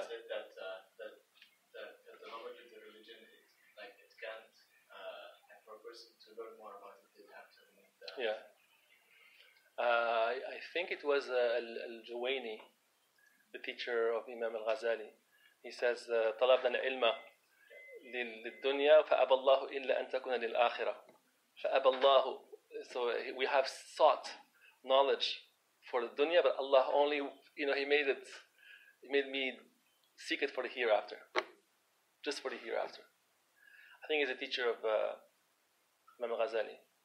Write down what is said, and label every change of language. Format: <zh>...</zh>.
<en>They said that the knowledge of the religion, it can't, and for a person to learn more about it, they have to remove that. Yeah. I think it was Al-Juwayni, the teacher of Imam Al-Ghazali. He says,</en> <ar>طلبنا العلم للدنيا فأبى الله إلا أن تكون للآخرة. فأبى الله.</ar> <en>So we have sought knowledge for the dunya, but Allah only, you know, He made me seek it for the hereafter, just for the hereafter. I think he's a teacher of Imam Ghazali.</en>